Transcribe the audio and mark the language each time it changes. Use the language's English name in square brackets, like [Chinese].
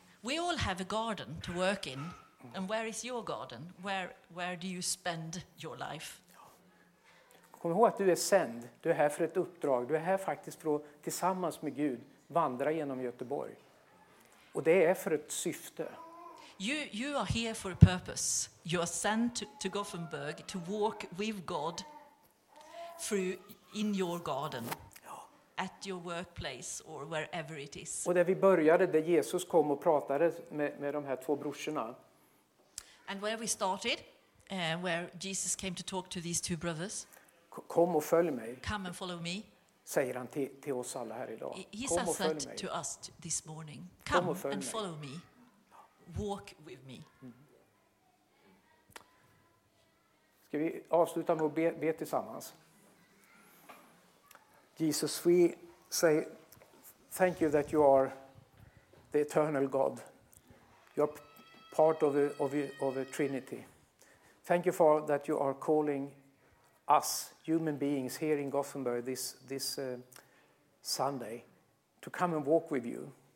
[English] We all have a garden to work in. And where is your garden? Where do you spend your life? [Swedish] Kom ihåg att du är sänd. Du är här för ett uppdrag. Du är här faktiskt för att tillsammans med Gud vandra genom Göteborg. Och det är för ett syfte. [English] You are here for a purpose. You are sent to Gothenburg to walk with God through in your garden, at your workplace or wherever it is. [Swedish] Och där vi började, där Jesus kom och pratade med de här 2 brorsorna. [English] And where we started, where Jesus came to talk to these 2 brothers. [Swedish] Kom och följ mig. [English] Come and follow me. [Swedish] Säger han till oss alla här idag. [English] He says that to us this morning. Come and follow me. Walk with me. [Swedish] Ska vi avsluta med att be tillsammans? [English] Jesus, we say thank you that you are the eternal God. You are part of the Trinity. Thank you for that you are calling us human beings here in Gothenburg this Sunday to come and walk with you.